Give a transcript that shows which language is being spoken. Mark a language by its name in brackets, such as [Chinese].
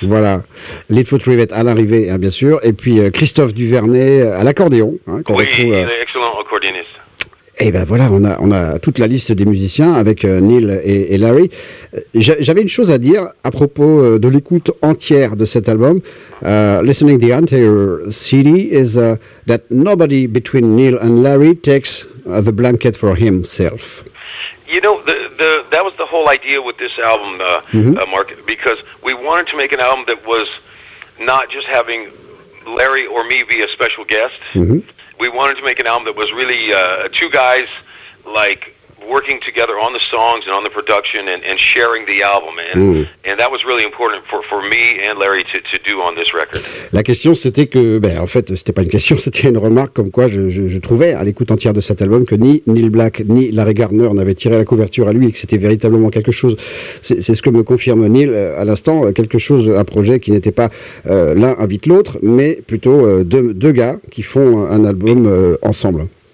[French] Voilà, Litfoot Rivet à l'arrivée bien sûr. Et puis Christophe Duvernay à l'accordéon Il est excellent accordéoniste. Et ben voilà, on a toute la liste des musiciens avec Neil et Larry. J'avais une chose à dire à propos de l'écoute entière de cet album. [English] Listening the entire CD is that nobody between Neil and Larry takes the blanket for himself. You know, that was the whole idea with this album, Mark, because we wanted to make an album that was not just having Larry or me be a special guest. We wanted to make an album that was really two guys like working together on the songs and on the production and sharing the album. And that was really important for me and Larry to do on this record. [French] La question, c'était que, en fait, c'était pas une question, c'était une remarque comme quoi je trouvais à l'écoute entière de cet album que ni Neil Black ni Larry Gardner n'avaient tiré la couverture à lui et que c'était véritablement quelque chose. C'est ce que me confirme Neil à l'instant, quelque chose, un projet qui n'était pas l'un invite l'autre, mais plutôt deux gars qui font un album ensemble.